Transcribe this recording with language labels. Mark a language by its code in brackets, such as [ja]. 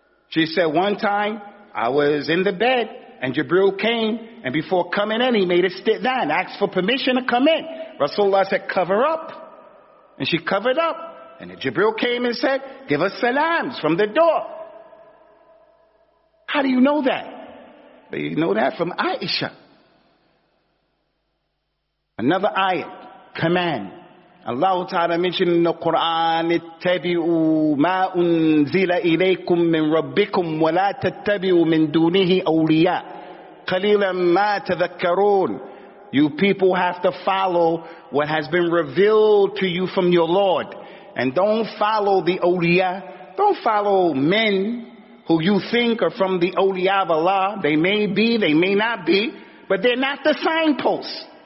[en] She said, one time I was in the bed and Jibril came, and before coming in, he made a sit down, asked for permission to come in. Rasulullah said, cover up. And she covered up. And then Jibril came and said, give us salams from the door. How do you know that? But you know that from Aisha. Another ayat, command. Allah Ta'ala mentioned in the Quran, [ar] اتَّبِعُوا مَا أُنزِلَ إِلَيْكُم مِّن رَبِّكُمْ وَلَا تَتَّبِعُوا مِّن دُونِهِ أَوْلِيَاءَ قَلِيلًا مَّا تَذَكَّرُونَ. [en] You people have to follow what has been revealed to you from your Lord. And don't follow the awliya. Don't follow men who you think are from the awliya of Allah. They may be, they may not be, but they're not the signposts.